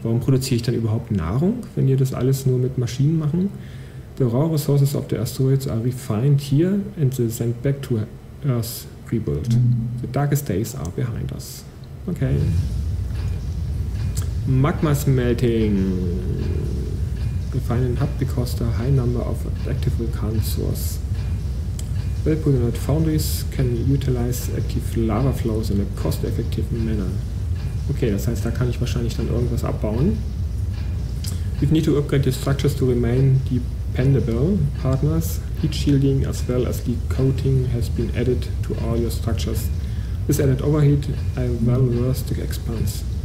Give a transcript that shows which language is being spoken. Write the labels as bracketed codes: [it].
[de] Warum produziere ich dann überhaupt Nahrung, wenn wir das alles nur mit Maschinen machen? [en] The raw resources of the asteroids are refined here and they're sent back to Earth. Rebuild. The darkest days are behind us. Okay. Magma smelting. We find a hub because the high number of active volcanic source. Well-positioned foundries can utilize active lava flows in a cost-effective manner. [de] Okay, das heißt, da kann ich wahrscheinlich dann irgendwas abbauen. [en] We need to upgrade the structures to remain dependable partners. Heat shielding as well as the coating has been added to all your structures. This added overheat I well worth the expense.